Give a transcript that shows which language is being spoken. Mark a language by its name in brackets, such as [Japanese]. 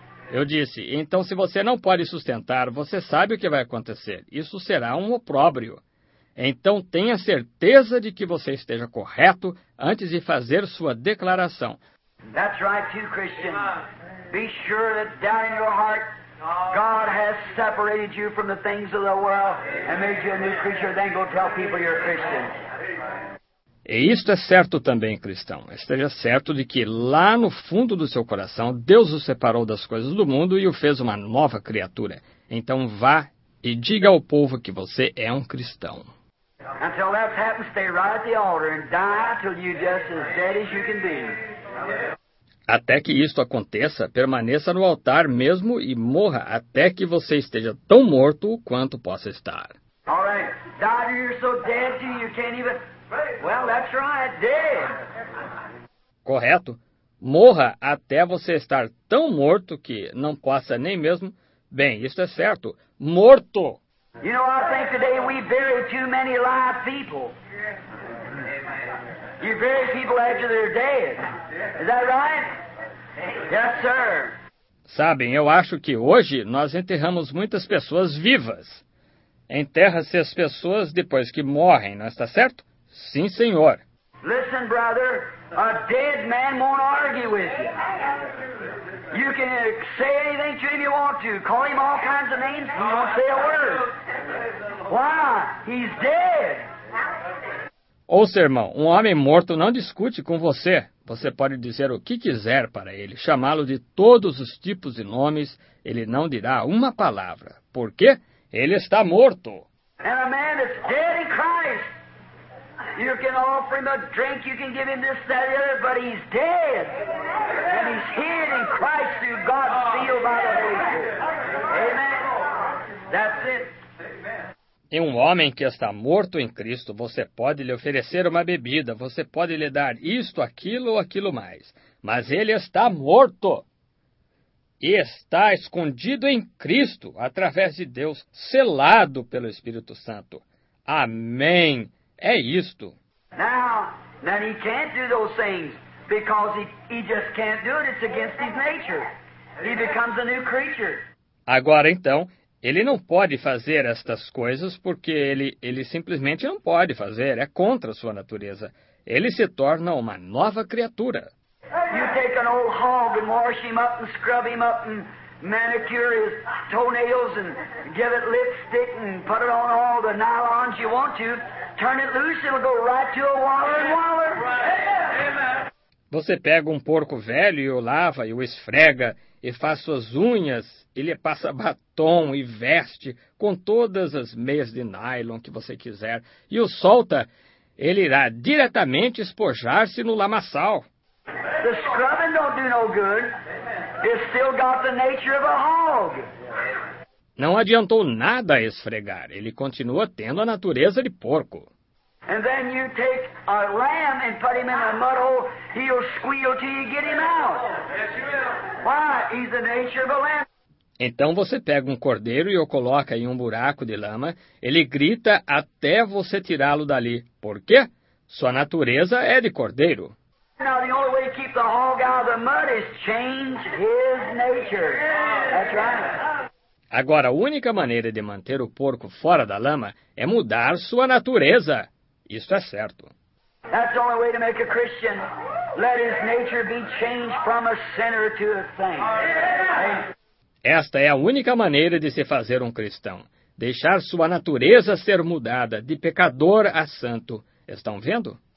[Portuguese] Eu disse, então se você não pode sustentar, você sabe o que vai acontecer. Isso será um opróbrio. Então tenha certeza de que você esteja correto antes de fazer sua declaração. [English] That's right too, Christian. Be sure that down in your heart, God has separated you from the things of the world and made you a new creature. Then go tell people you're a Christian. [Portuguese] E isto é certo também, cristão. Esteja certo de que lá no fundo do seu coração, Deus o separou das coisas do mundo e o fez uma nova criatura. Então vá e diga ao povo que você é um cristão. [English] Until that happens, stay right at the altar and die till you're just as dead as you can be. [Portuguese] Até que isto aconteça, permaneça no altar mesmo e morra até que você esteja tão morto quanto possa estar. [English] All right. Die till you're so dead to you can't even... Well, that's right. Dead. [Portuguese] Correto. Morra até você estar tão morto que não possa nem mesmo... Bem, isto é certo. Morto. [English] You know, I think today we bury too many live people. You bury people after they're dead. Is that right? Yes, sir. [Portuguese] Sabem, eu acho que hoje nós enterramos muitas pessoas vivas. Enterra-se as pessoas depois que morrem, não está certo? Sim, senhor. [English] Listen, brother, a dead man won't argue with you. You can say anything to him you want to. Call him all kinds of names. He won't say a word. Why? He's dead. [Portuguese] Ouça, irmão, um homem morto não discute com você. Você pode dizer o que quiser para ele, chamá-lo de todos os tipos de nomes. Ele não dirá uma palavra. Por quê? Ele está morto. [English] And a man that's dead in Christ. You can offer him a drink, you can give him this, that, the other, but he's dead. And he's hid in Christ through God's seal by the Holy Spirit. Amen. That's it. [Portuguese] Em um homem que está morto em Cristo, você pode lhe oferecer uma bebida, você pode lhe dar isto, aquilo ou aquilo mais. Mas ele está morto e está escondido em Cristo, através de Deus, selado pelo Espírito Santo. Amém. É isto. [English] Now he can't do those things because he just can't do it. It's against his nature. He becomes a new creature. [Portuguese] Agora então... Ele não pode fazer estas coisas porque ele simplesmente não pode fazer. É contra a sua natureza. Ele se torna uma nova criatura. [English] You take an old hog and wash him up and scrub him up and manicure his toenails and give it lipstick and put it on all the nylons you want to. Turn it loose, it'll go right to a waller and waller. [Portuguese] Você pega um porco velho e o lava e o esfrega e faz suas unhas. Ele passa batom e veste com todas as meias de nylon que você quiser. E o solta, ele irá diretamente espojar-se no lamaçal. [English] The scrubbing don't do no good. It's still got the nature of a hog. [Portuguese] Não adiantou nada esfregar. Ele continua tendo a natureza de porco. [English] And then you take a lamb and put him in a mud hole. He'll squeal till you get him out. Why? He's the nature of a lamb. [Portuguese] Então você pega um cordeiro e o coloca em um buraco de lama. Ele grita até você tirá-lo dali. Por quê? Sua natureza é de cordeiro. [English] Now the only way to keep the hog out of the mud is change his nature. That's right. [Portuguese] Agora, a única maneira de manter o porco fora da lama é mudar sua natureza. Isso é certo. [English] That's the only way to make a Christian. Let his nature be changed from a sinner to a saint. [Portuguese] Esta é a única maneira de se fazer um cristão. Deixar sua natureza ser mudada de pecador a santo. Estão vendo?